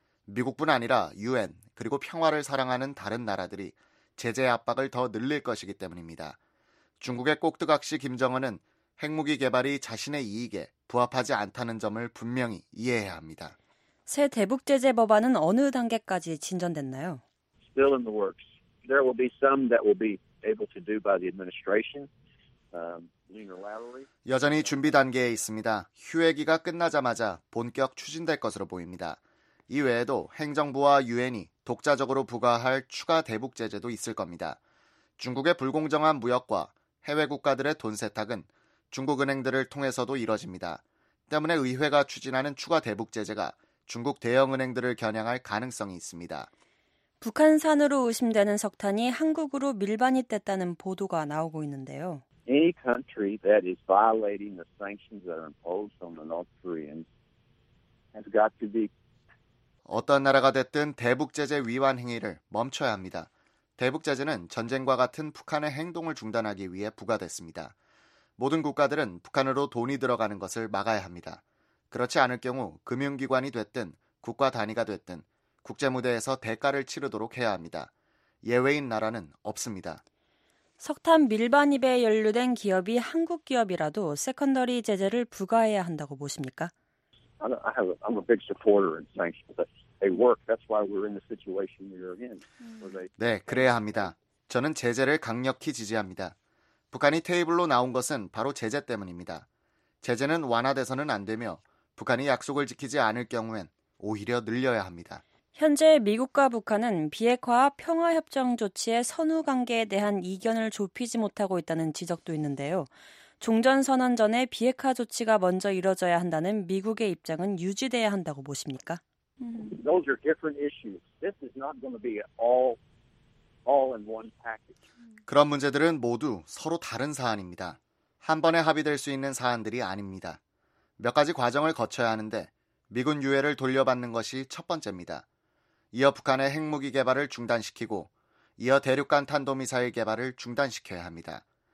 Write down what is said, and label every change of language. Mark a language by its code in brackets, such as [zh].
[ko] 미국뿐 아니라 유엔 그리고 평화를 사랑하는 다른 나라들이 제재 압박을 더 늘릴 것이기 때문입니다. 중국의 꼭두각시 김정은은 핵무기 개발이 자신의 이익에 부합하지 않다는 점을 분명히 이해해야 합니다. 새 대북 제재 법안은 어느 단계까지 진전됐나요? [en] Still in the works. There will be some that will be able to do by the administration. [ko] 여전히 준비 단계에 있습니다. 휴회기가 끝나자마자 본격 추진될 것으로 보입니다. 이외에도 행정부와 유엔이 독자적으로 부과할 추가 대북 제재도 있을 겁니다. 중국의 불공정한 무역과 해외 국가들의 돈 세탁은 중국 은행들을 통해서도 이뤄집니다. 때문에 의회가 추진하는 추가 대북 제재가 중국 대형 은행들을 겨냥할 가능성이 있습니다. 북한산으로 의심되는 석탄이 한국으로 밀반입됐다는 보도가 나오고 있는데요. [en] Any country that is violating the sanctions that are imposed on the North Koreans has got to be [ko] 어떤 나라가 됐든 대북 제재 위반 행위를 멈춰야 합니다. 대북 제재는 전쟁과 같은 북한의 행동을 중단하기 위해 부과됐습니다. 모든 국가들은 북한으로 돈이 들어가는 것을 막아야 합니다. 그렇지 않을 경우 금융기관이 됐든 국가 단위가 됐든 국제무대에서 대가를 치르도록 해야 합니다. 예외인 나라는 없습니다. 석탄 밀반입에 연루된 기업이 한국 기업이라도 세컨더리 제재를 부과해야 한다고 보십니까? [en] I'm a big supporter of sanctions. They work. That's why we're in the situation we're in. [ko] 네, 그래야 합니다. 저는 제재를 강력히 지지합니다. 북한이 테이블로 나온 것은 바로 제재 때문입니다. 제재는 완화돼서는 안 되며 북한이 약속을 지키지 않을 경우엔 오히려 늘려야 합니다. 현재 미국과 북한은 비핵화 평화협정 조치의 선후 관계에 대한 이견을 좁히지 못하고 있다는 지적도 있는데요. 종전선언 전에 비핵화 조치가 먼저 이뤄져야 한다는 미국의 입장은 유지돼야 한다고 보십니까? [en] Those are different issues. This is not going to be all in one package. [ko] 그런 문제들은 모두 서로 다른 사안입니다. 한 번에 합의될 수 있는 사안들이 아닙니다. 몇 가지 과정을 거쳐야 하는데 미군 유해를 돌려받는 것이 첫 번째입니다. 이어 북한의 핵무기 개발을 중단시키고 이어 대륙간 탄도미사일 개발을 중단시켜야 합니다.